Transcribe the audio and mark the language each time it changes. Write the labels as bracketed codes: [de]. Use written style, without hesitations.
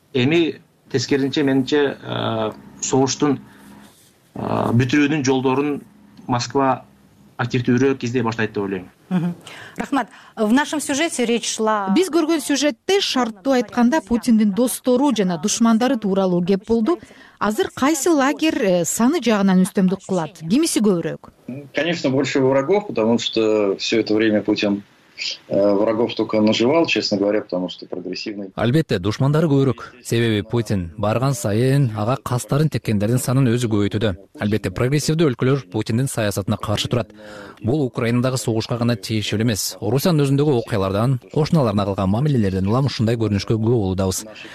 [ky] Эми тескерисинче менимче согуштун бүтүрүүнүн жолдорун Москва активдүүрөөк издей баштайт деп ойлойм. [ru] Рахмат. В нашем сюжете речь шла. [ky] Биз көргөн сюжетте шарттуу айтканда Путиндин достору жана душмандары тууралуу кеп болду. Азыр кайсы лагер саны жагынан үстөмдүк кылат? Кимиси көбүрөөк? [ru] Конечно, больше врагов, потому что все это время Путин врагов только наживал, честно говоря, потому что прогрессивный. [ky] Албетте, душмандары көбүрөөк. Себеби Путин барган сайын ага кастарын теккендердин санын өзү көбөйтүүдө. Албетте, прогрессивдүү өлкөлөр Путиндин саясатына каршы турат. Бул Украинадагы согушка гана тиешелүү эмес. Орусиянын өзүндөгү окуялардан, кошуналарына кылган мамилелерден улам ушундай көрүнүшкө күбө болуудабыз.